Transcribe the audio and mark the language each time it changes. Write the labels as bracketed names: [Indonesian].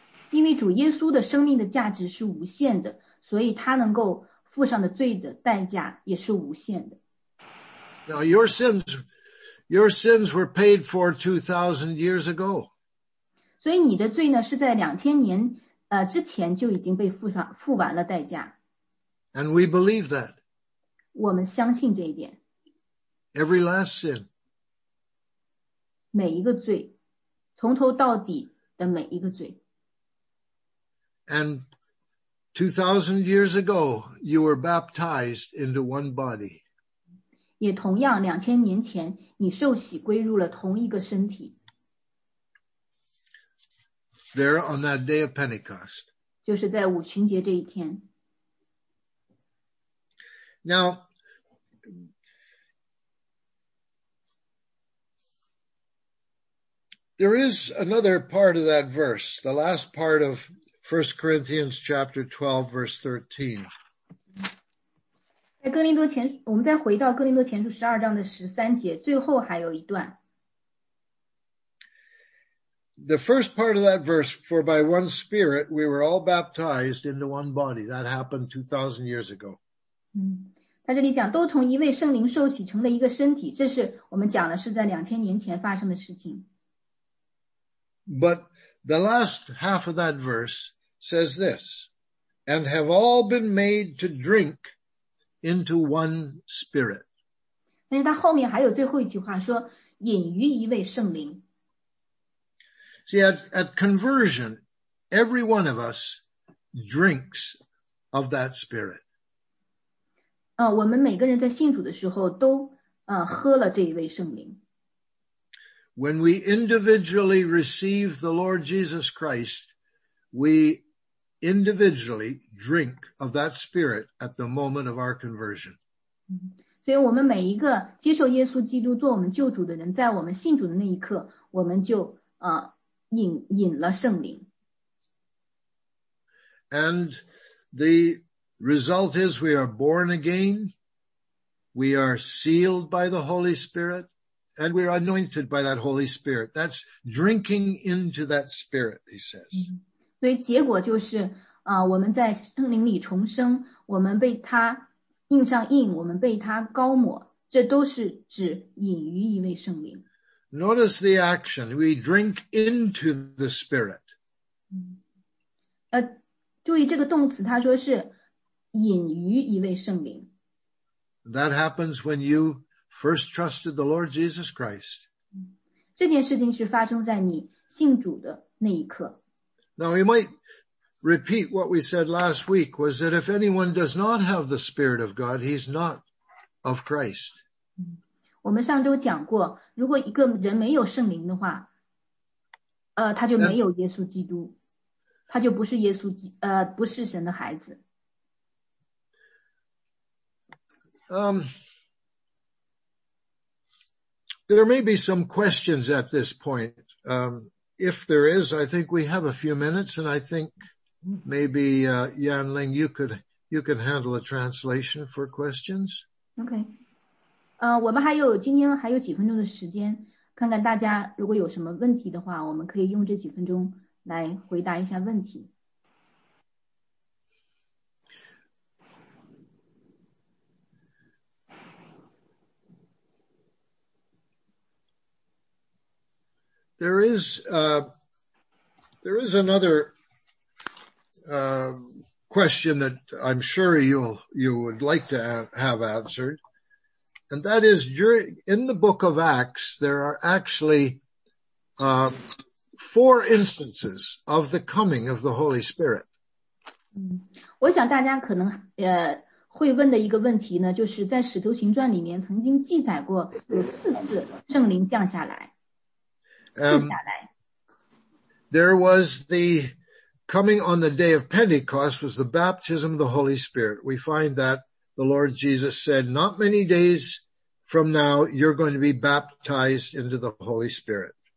[Chinese] 因为主耶稣的生命的价值是无限的，所以他能够付上的罪的代价也是无限的。 [English] Now your sins were paid for 2,000 years ago. [Chinese] 所以你的罪呢，是在2000年之前就已经被付完了代价。 [English] And we believe that. [Chinese] 我们相信这一点。 [English] Every last sin. [Chinese] 每一个罪，从头到底的每一个罪。 [English] And 2,000 years ago, you were baptized into one body. [Chinese] 也同样2000年前，你受洗归入了同一个身体。 [English] There on that day of Pentecost. [Chinese] 就是在五旬节这一天。 [English] Now, there is another part of that verse, the last part of 1 Corinthians chapter 12, verse 13. [Chinese] 在哥林多前，我们再回到哥林多前书12章的13节，最后还有一段。 [English] The first part of that verse, for by one spirit, we were all baptized into one body. That happened 2,000 years ago. [Chinese] 他这里讲都从一位圣灵受洗成了一个身体，这是我们讲的是在2000年前发生的事情。 [English] But the last half of that verse says this, and have all been made to drink into one spirit. [Chinese] 但是他后面还有最后一句话说，饮于一位圣灵。 [English] See, at conversion, every one of us drinks of that spirit. [Chinese] 我们每个人在信主的时候都喝了这一位圣灵。 [English] When we individually receive the Lord Jesus Christ, we individually drink of that spirit at the moment of our conversion. [Chinese] 所以我们每一个接受耶稣基督做我们救主的人，在我们信主的那一刻，我们就饮了圣灵。 [English] And the result is we are born again, we are sealed by the Holy Spirit, and we are anointed by that Holy Spirit. That's drinking into that Spirit, he says. [Chinese] 所以结果就是我们在圣灵里重生，我们被他印上印，我们被他膏抹，这都是指饮于一位圣灵。 [English] Notice the action. We drink into the Spirit. [Chinese] 注意这个动词，他说是饮于一位圣灵。 [English] That happens when you first trusted the Lord Jesus Christ. [Chinese] 这件事情是发生在你信主的那一刻。 [English] Now we might repeat what we said last week, was that if anyone does not have the Spirit of God, he's not of Christ. [Chinese] 我们上周讲过，如果一个人没有圣灵的话，他就没有耶稣基督。他就不是耶稣不是神的孩子。 [English] There may be some questions at this point. If there is, I think we have a few minutes, and I think maybe, Yan Ling, you can handle a translation for questions. Okay. [Chinese] 我们还有今天还有几分钟的时间，看看大家如果有什么问题的话，我们可以用这几分钟来回答一下问题。 [English] There is another question that I'm sure you would like to have answered, and that is in the book of Acts, there are actually four instances of the coming of the Holy Spirit. [Chinese] 我想大家可能会问的一个问题呢，就是在《使徒行传》里面曾经记载过有四次圣灵降下来。 [English] There was the coming on the day of Pentecost was the baptism of the Holy Spirit. We find that the Lord Jesus said, not many days from now, you're going to be baptized into the Holy Spirit.